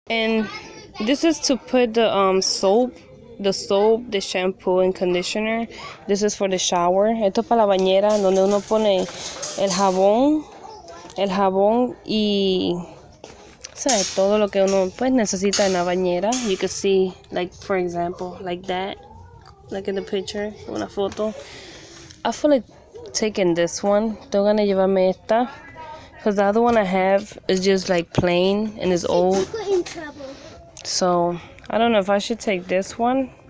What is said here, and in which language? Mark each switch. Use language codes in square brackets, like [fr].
[en] And this is to put the soap, the shampoo and conditioner. This is for the shower. [es] Esto para la bañera, donde uno pone el jabón y sabe todo lo que uno pues necesita en la bañera. [en] You can see, like for example, like that, like in the picture, [es] una foto. [en] I feel like taking this one. [es] Estoy gonna llevarme esta. [en] Because the other one I have is just like plain and it's old. So I don't know if I should take this one.